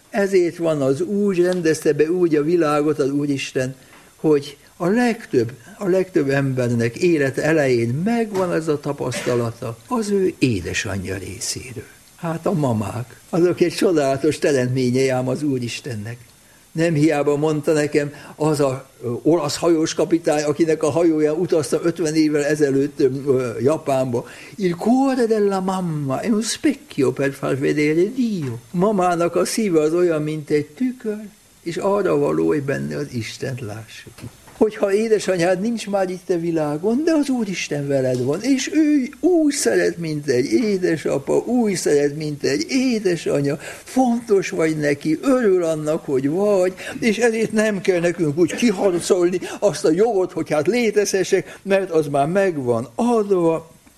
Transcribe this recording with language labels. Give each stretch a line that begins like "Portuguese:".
Hungarian: Ezért van az úgy, rendezte be úgy a világot az Úristen, hogy a legtöbb embernek élete elején megvan ez a tapasztalata az ő édesanyja részéről. Hát a mamák, azok egy csodálatos teremtményei ám az Úristennek. Nem hiába mondta nekem az a olasz hajós kapitány, akinek a hajóján utaztam 50 évvel ezelőtt Japánba.
Italian: Il cuore della mamma è un specchio per far vedere Dio.
Hungarian: Mamának a szíve az olyan, mint egy tükör, és arra való, hogy benne az Istent lássuk. Hogyha édesanyád nincs már itt a világon, de az Úristen veled van, és ő úgy szeret, mint egy édesapa, úgy szeret, mint egy édesanya, fontos vagy neki, örül annak, hogy vagy, és ezért nem kell nekünk úgy kiharcolni azt a jogot, hogy hát létezhessek, mert az már megvan adva.